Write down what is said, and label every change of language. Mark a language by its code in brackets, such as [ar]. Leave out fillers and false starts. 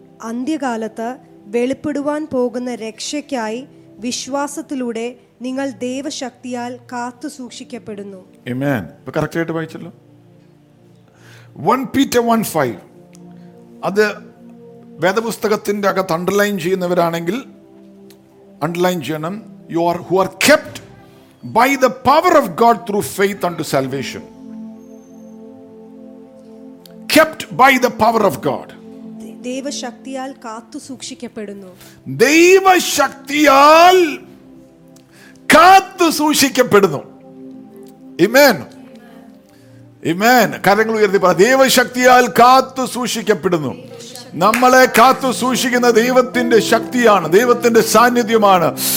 [ml] അന്ത്യകാലത്തെ വെളിപ്പെടുവാൻ പോകുന്ന രക്ഷയ്ക്കായി വിശ്വാസത്തിലൂടെ നിങ്ങൾ ദൈവശക്തിയാൽ കാത്തു സൂക്ഷിക്കപ്പെടുന്നു. ആമേൻ. ഇപ്പോ കറക്റ്റ് ആയിട്ട് വായിച്ചല്ലോ. 1 Peter 1:5. അത് വേദപുസ്തകത്തിന്റെ അകത്ത് അണ്ടർലൈൻ ചെയ്യുന്നവരാണെങ്കിൽ അണ്ടർലൈൻ ചെയ്യണം. [en] who are kept by the power of God through faith unto salvation. Kept by the power of God. [ml] ദൈവശക്തിയാൽ കാത്തു സൂക്ഷിക്കപ്പെടുന്നു. ദൈവശക്തിയാൽ കാത്തു സൂക്ഷിക്കപ്പെടുന്നു. ആമേൻ. ആമേൻ. കരങ്ങൾ ഉയർത്തി പറ. ദൈവശക്തിയാൽ കാത്തു സൂക്ഷിക്കപ്പെടുന്നു. നമ്മളെ കാത്തു സൂക്ഷിക്കുന്ന ദൈവത്തിന്റെ ശക്തിയാണ്, ദൈവത്തിന്റെ സാന്നിധ്യമാണ്.